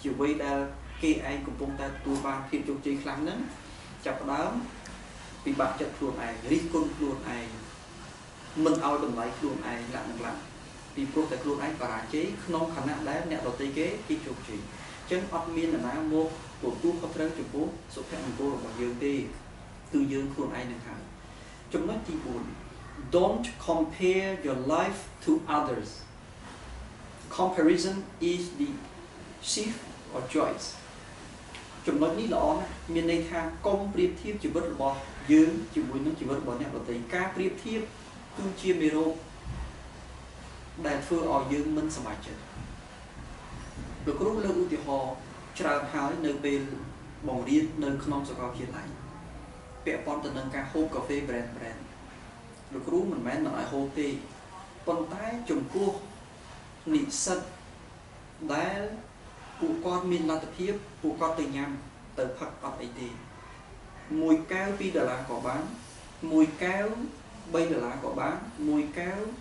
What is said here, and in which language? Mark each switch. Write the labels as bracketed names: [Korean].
[Khmer] ជាអ្វីដែលគេឯងកំពុងតែទទួលបានភាពជោគជ័យខ្លាំងហ្នឹងចាប់ដើមពិបាកចិត្តខ្លួនឯងរិះគន់ខ្លួនឯងមិនឲ្យតម្លៃខ្លួនឯងដាក់នឹងឡើយពីព្រោះតែខ្លួនឯងបរាជ័យក្នុងខណៈដែលអ្នកដទៃគេគេជោគជ័យអញ្ចឹងអត់មានណាមកទទួលខុសត្រូវចំពោះសុភមង្គលរបស់យើងទេគឺយើងខ្លួនឯងនឹងហើយចំណុចទី4 [English] Don't compare your life to others. Comparison is the thief of joy. [Khmer] ចំណុចនេះល្អណាស់មានន័យថាកុំប្រៀបធៀបជីវិតរបស់យើងជាមួយនឹងជីវិតរបស់អ្នកដទៃការប្រៀបធៀបគឺជាមេរោគ ដែលធ្វើឲ្យយើងមិនសប្បាយចិត្តលោកគ្រូលើកឧទាហរណ៍ច្រើនហើយនៅពេលបង្រៀននៅក្នុងសកលវិទ្យាល័យពាក់ព័ន្ធទៅនឹងការហូបកាហ្វេ brand លោកគ្រូមិនមែនមិនឲ្យហូបទេប៉ុន្តែចំពោះនិស្សិតដែលពួកគាត់មានលទ្ធភាពពួកគាត់ទៅញ៉ាំទៅផឹកអត់អីទេមួយកែវ2ដុល្លារក៏បានមួយកែវ3ដុល្លារក៏បានមួយកែវ